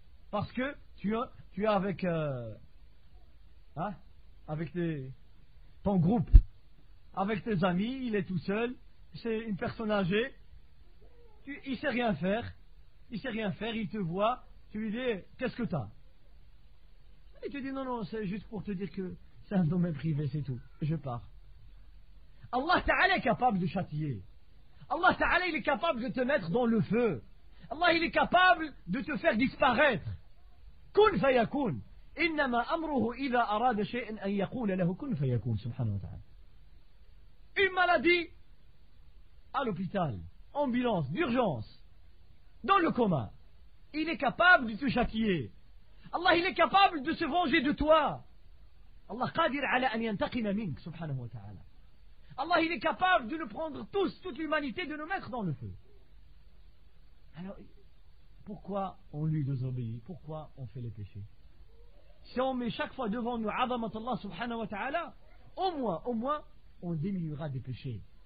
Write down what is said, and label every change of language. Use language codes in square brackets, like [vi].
[fr] Parce que tu es avec avec ton groupe, avec tes amis, il est tout seul, c'est une personne âgée, il sait rien faire, il te voit, tu lui dis qu'est-ce que t'as, il te dit non, c'est juste pour te dire que c'est un domaine privé, c'est tout, je pars. Allah Ta'ala est capable de châtier. Allah Ta'ala, il est capable de te mettre dans le feu. Allah, il est capable de te faire disparaître. [ar] كن فيكون إنما أمره إذا أراد شيئا أن يقول له كن فيكون سبحانه وتعالى. [fr] Une maladie à l'hôpital, ambulance, d'urgence, dans le coma, il est capable de te châtier. Allah, il est capable de se venger de toi. [ar] Allah قادر على أن ينتقم منك سبحانه وتعالى. [fr] Allah, il est capable de nous prendre tous, toute l'humanité, de nous mettre dans le feu. Alors, pourquoi on lui désobéit? Pourquoi on fait les péchés? Si on met chaque fois devant nous Azamatullah subhanahu wa ta'ala, au moins, on diminuera des péchés.